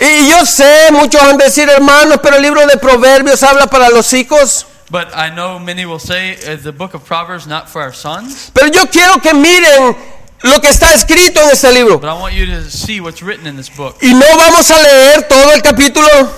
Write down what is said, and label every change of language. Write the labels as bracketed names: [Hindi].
[Spanish] Y yo sé, muchos van a decir, hermanos, pero el libro de Proverbios habla para los hijos. [English] But I know many will say, is the book of Proverbs not for our sons? [Spanish] Pero yo quiero que miren lo que está escrito en este libro. [English] But I want you to see what's written in this book. [Spanish] Y no vamos a leer todo el capítulo.